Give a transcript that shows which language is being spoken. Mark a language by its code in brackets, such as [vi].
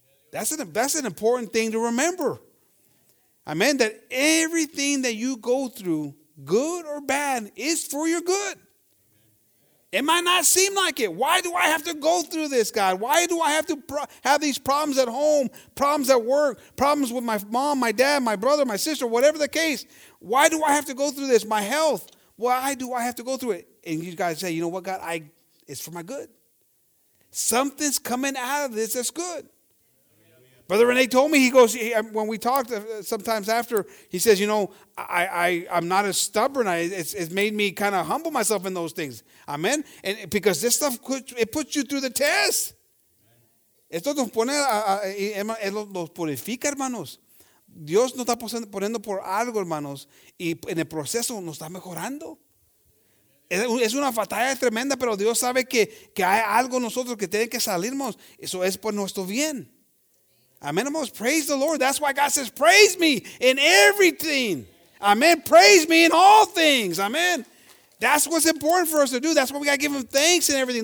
[en] That's an important thing to remember. Amen. That everything that you go through, good or bad, is for your good. It might not seem like it. Why do I have to go through this, God? Why do I have to have these problems at home, problems at work, problems with my mom, my dad, my brother, my sister, whatever the case? Why do I have to go through this? My health. Why do I have to go through it? And you guys say, you know what, God? It's for my good. Something's coming out of this that's good. Amen. Brother Rene told me, he goes, when we talked sometimes after, he says, you know, I'm not as stubborn. It's made me kind of humble myself in those things. Amen? And because this stuff, it puts you through the test. [es] Esto nos pone, nos purifica, hermanos. Dios nos está poniendo por algo, hermanos, y en el proceso nos está mejorando. Es una batalla tremenda, pero Dios sabe que hay algo en nosotros que tiene que salir, hermanos. Eso es por nuestro bien. Amén, hermanos. [en] Praise the Lord. That's why God says, praise me in everything. Amen. Praise me in all things. Amen. That's what's important for us to do. That's why we got to give him thanks and everything.